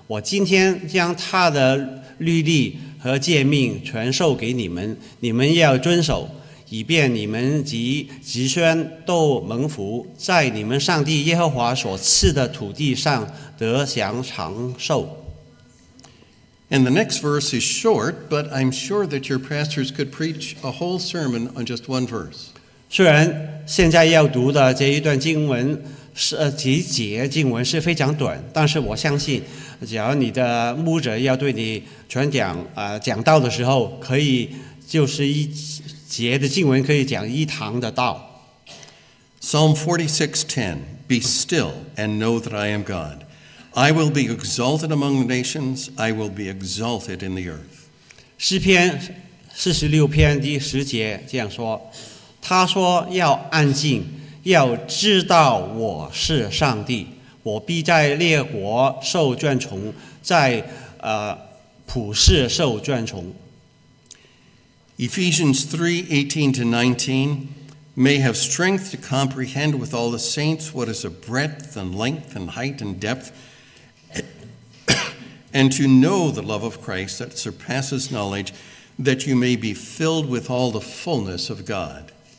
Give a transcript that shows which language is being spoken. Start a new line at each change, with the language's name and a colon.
Chinese: 生命记第四章这样提醒我们，所以今天你们要知道并谨记，耶和华是天上地下的上帝，此外别无他神。我今天将他的律例 和诫命全授给你们，你们要遵守，以便你们及子孙都蒙福，在你们上帝耶和华所赐的土地上得享长寿。
English: And the next verse is short, but I'm sure that your pastors could preach a whole sermon on just one verse.
Chinese: 虽然现在要读的这一段经文是几节经文是非常短，但是我相信，只要你的牧者要对你传讲讲道的时候，可以就是一节的经文可以讲一堂的道。
English: Psalm 46:10, be still and know that I am God. I will be exalted among the nations, I will be exalted in the earth.
Chinese: 诗篇46篇第10节这样说, 他说要安静，要知道我是上帝， 我必在列国受眷宠， 在普世受眷宠。
English: Ephesians 3:18-19, may have strength to comprehend with all the saints what is the breadth and length and height and depth, and to know the love of Christ that surpasses knowledge, that you may be filled with all the fullness of God.